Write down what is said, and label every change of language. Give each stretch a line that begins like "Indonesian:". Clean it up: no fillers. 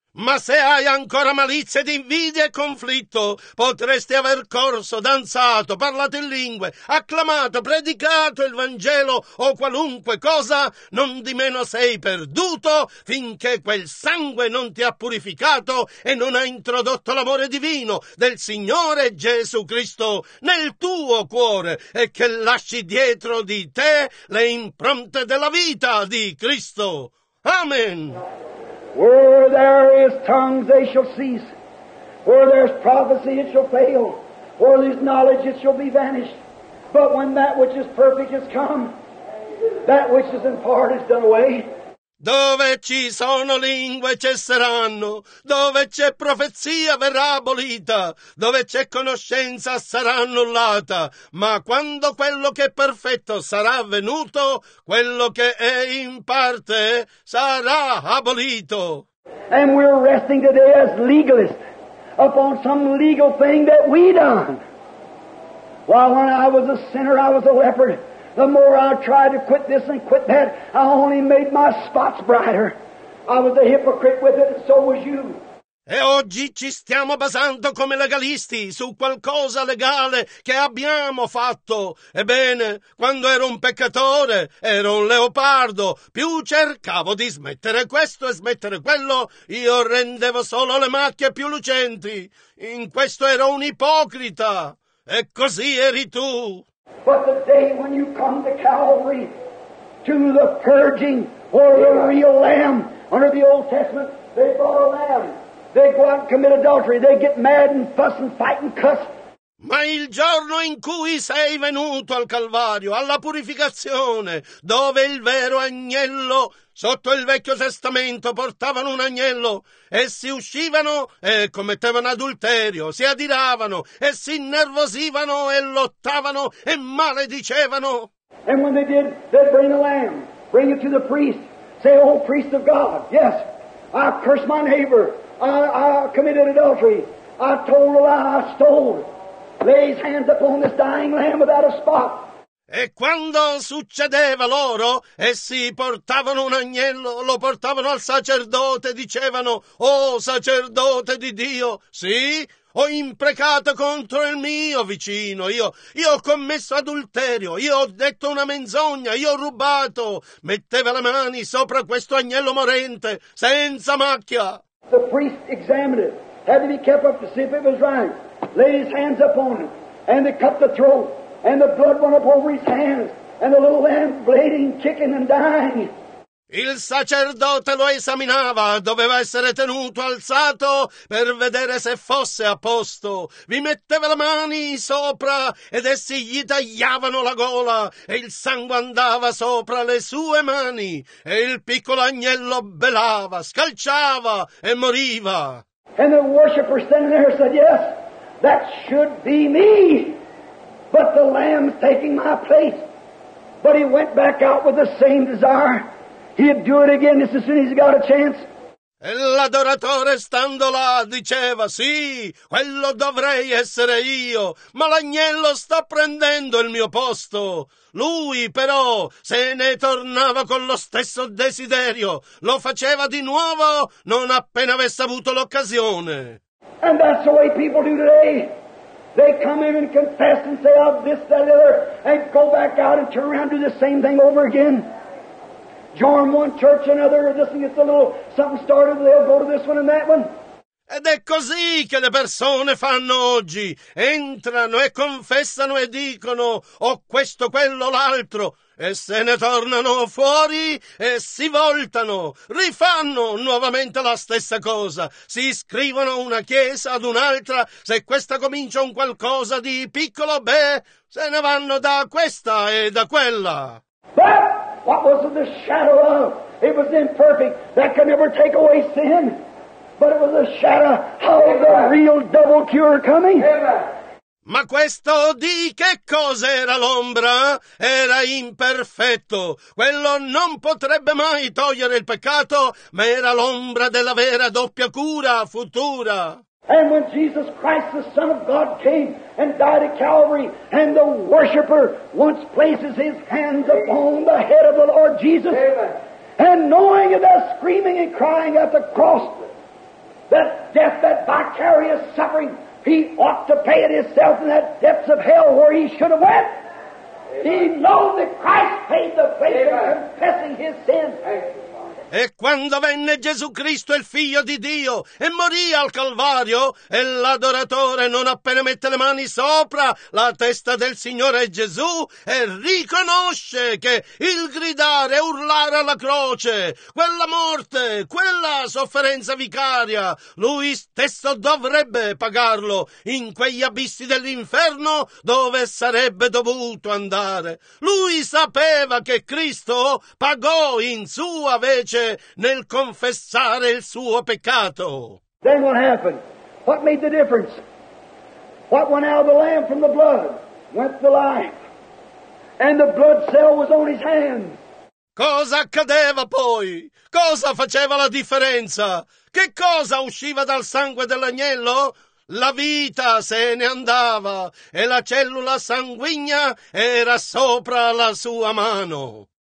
Italian: Ma se hai ancora malizia di invidia e conflitto, potresti aver corso, danzato, parlato in lingue, acclamato, predicato il Vangelo o qualunque cosa, non di meno sei perduto finché quel sangue non ti ha purificato e non ha introdotto l'amore divino del Signore Gesù Cristo nel tuo cuore e che lasci dietro di te le impronte della vita di Cristo. Amen.
English: Where there is tongues, they shall cease. Where there's prophecy, it shall fail. Where there's knowledge, it shall be vanished. But when that which is perfect is come, that which is in part is done away.
Italian: Dove ci sono lingue cesseranno, dove c'è profezia verrà abolita, dove c'è conoscenza sarà annullata, ma quando quello che è perfetto sarà avvenuto, quello che è in parte sarà abolito.
English: And we're resting today as legalists upon some legal thing that we done. While when I was a sinner, I was a leper. The more I tried to quit this and quit that, I only made my spots brighter. I was a hypocrite with it, and so was you.
Italian: E oggi ci stiamo basando come legalisti su qualcosa legale che abbiamo fatto. Ebbene, quando ero un peccatore, ero un leopardo. Più cercavo di smettere questo e smettere quello, io rendevo solo le macchie più lucenti. In questo ero un ipocrita. E così eri tu.
English: But the day when you come to Calvary, to the purging, or the real lamb, under the Old Testament, they brought a lamb. They go out and commit adultery. They get mad and fuss and fight and cuss.
Italian: Ma il giorno in cui sei venuto al Calvario, alla purificazione, dove il vero agnello, sotto il Vecchio Testamento, portavano un agnello, essi uscivano e commettevano adulterio, si adiravano e si innervosivano e lottavano e maledicevano.
English: And when they did, they'd bring the lamb, bring it to the priest, say, oh, priest of God, yes, I cursed my neighbor, I committed adultery, I told a lie, I stole. Lays hands upon this dying lamb without a spot.
Italian: E quando succedeva loro, essi portavano un agnello, lo portavano al sacerdote, dicevano, oh sacerdote di Dio, sì, ho imprecato contro il mio vicino, io ho commesso adulterio, io ho detto una menzogna, io ho rubato, metteva le mani sopra questo agnello morente, senza macchia.
English: The priest examined it, had to be kept up to see if it was right. Laid his hands upon him, and they cut the throat, and the blood went up over his hands, and the little lamb bleeding, kicking and dying.
Italian: Il sacerdote lo esaminava, doveva essere tenuto alzato per vedere se fosse a posto. Vi metteva le mani sopra ed essi gli tagliavano la gola e il sangue andava sopra le sue mani e il piccolo agnello belava, scalciava e moriva.
English: And the worshipper standing there said, yes. That should be me, but the lamb's taking my place. But he went back out with the same desire. He'd do it again just as soon as he got a chance.
Italian: E l'adoratore stando là diceva, sì, quello dovrei essere io, ma l'agnello sta prendendo il mio posto. Lui però se ne tornava con lo stesso desiderio, lo faceva di nuovo non appena avesse avuto l'occasione.
English: And that's the way people do today. They come in and confess and say, oh, this, that, the other, and go back out and turn around and do the same thing over again. Join one church, another, or this and gets a little something started, they'll go to this one and that one.
Italian: Ed è così che le persone fanno oggi. Entrano e confessano e dicono, oh, questo, quello, l'altro. E se ne tornano fuori e si voltano, rifanno nuovamente la stessa cosa. Si iscrivono a una chiesa, ad un'altra, se questa comincia un qualcosa di piccolo, beh, se ne vanno da questa e da quella.
English: But what was the shadow of? It was imperfect. That can never take away sin. But it was a shadow of the real double cure coming.
Italian: Ma questo di che cosa era l'ombra? Era imperfetto. Quello non potrebbe mai togliere il peccato, ma era l'ombra della vera doppia cura futura.
English: And when Jesus Christ, the Son of God, came and died at Calvary, and the worshipper once places his hands upon the head of the Lord Jesus, Amen. And knowing it, they're screaming and crying at the cross, that death, that vicarious suffering, he ought to pay it himself in that depths of hell where he should have went. He knows that Christ paid the price of confessing his sin.
Italian: E quando venne Gesù Cristo, il Figlio di Dio, e morì al Calvario, e l'adoratore, non appena mette le mani sopra la testa del Signore Gesù, e riconosce che il gridare e urlare alla croce, quella morte, quella sofferenza vicaria, lui stesso dovrebbe pagarlo in quegli abissi dell'inferno dove sarebbe dovuto andare. Lui sapeva che Cristo pagò in sua vece nel confessare il suo peccato.
English: Then what happened? What made the difference? What went out of the lamb from the blood? Went the life. And the blood cell was on his hand.
Italian: Cosa accadeva poi? Cosa faceva la differenza? Che cosa usciva dal sangue dell'agnello? La vita se ne andava e la cellula sanguigna era sopra la sua mano.